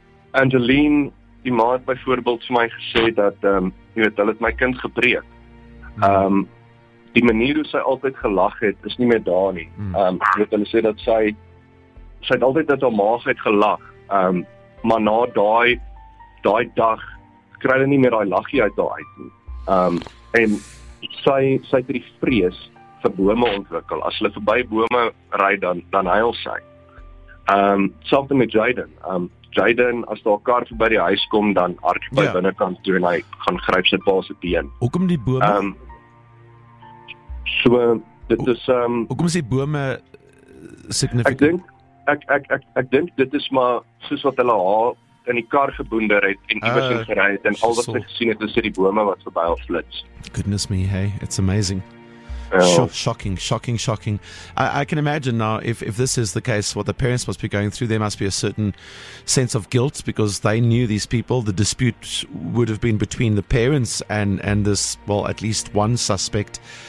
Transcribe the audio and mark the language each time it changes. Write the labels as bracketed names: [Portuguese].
[Afrikaans] Angeline, die ma het byvoorbeeld vir my gesê dat jy weet, hulle het my kind gebreek. Die manier hoe sy altyd gelag het, is nie meer daar nie. Jy weet, hulle sê dat sy het altyd uit haar maag uit gelag. Maar na daai dag kry hulle nie meer daai laggie uit haar uit nie. En sy het die vrees vir bome ontwikkel. As hulle verby bome ry, dan huil sy. Something with Jayden. Jayden, as daar 'n kar by die huis kom, dan hard by binnekant toe en hy gaan gryp sy pa se been. Hoekom die bome? So dit is hoekom sê bome significant? Ek dink dit is maar soos wat hulle haar in die kar geboonder het en iewers in gery het en al wat hulle gesien het is die bome wat verby al flits. [English] Goodness me, hey, it's amazing. Shocking. I can imagine now if this is the case, what the parents must be going through, there must be a certain sense of guilt because they knew these people. The dispute would have been between the parents and this, well, at least one suspect.